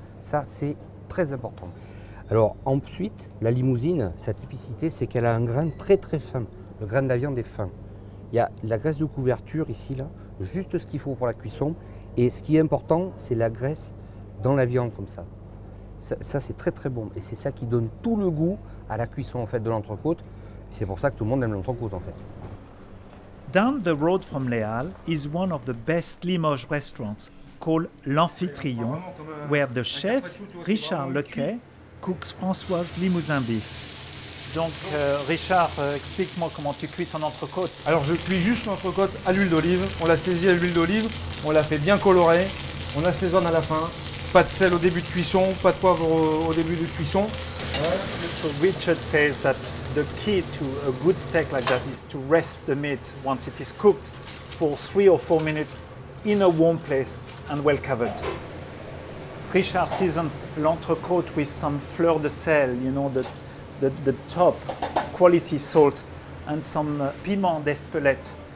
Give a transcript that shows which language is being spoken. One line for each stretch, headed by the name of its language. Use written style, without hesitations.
French: Ça, c'est très important. Alors ensuite, la Limousine, sa typicité, c'est qu'elle a un grain très très fin. Le grain de la viande est fin. Il y a la graisse de couverture ici, là, juste ce qu'il faut pour la cuisson. Et ce qui est important, c'est la graisse dans la viande, comme ça. Ça c'est très très bon. Et c'est ça qui donne tout le goût à la cuisson, en fait, de l'entrecôte. C'est pour ça que tout le monde aime l'entrecôte, en fait.
English: Down the road from Les Halles is one of the best Limoges restaurants, called l'Amphitryon, where the chef, Richard Lequet, cooks Françoise Limousin beef.
French: Donc, Richard, explique-moi comment tu cuis ton entrecôte. Alors, je cuis juste l'entrecôte à l'huile d'olive. On la saisit à l'huile d'olive, on la fait bien colorer, on assaisonne à la fin. Pas de sel au début de cuisson, pas de poivre au début de cuisson.
English: Richard says that the key to a good steak like that is to rest the meat once it is cooked for 3 or 4 minutes in a warm place and well covered. Richard seasoned l'entrecôte with some fleur de sel, you know, the top quality salt, and some piment d'espelette.